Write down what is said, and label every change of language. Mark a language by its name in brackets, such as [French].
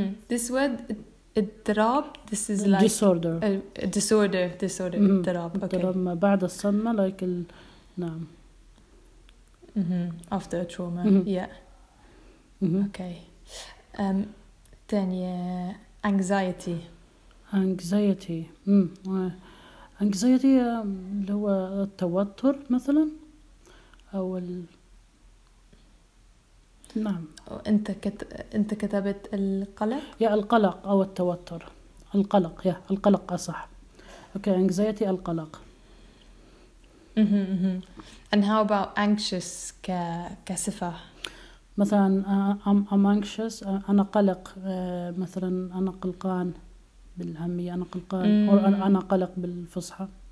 [English] This word اضطراب this is like disorder. Disorder اضطراب. [Arabic] اضطراب ما بعد الصدمة like ال... نعم. [English] After a trauma. Yeah. Okay. [Arabic] تانية anxiety. [English] Anxiety. [Arabic] Anxiety اللي هو التوتر مثلا أو ال... نعم. أنت كتبت القلق؟ يا القلق أو التوتر. القلق. يا القلق أصح. Okay. Anxiety القلق. [English] And how about anxious كصفة؟ مثلا I'm anxious. [Arabic] أنا قلق. مثلا أنا قلقان. بالعامية أنا قلقان. أو أنا قلق بالفصحى.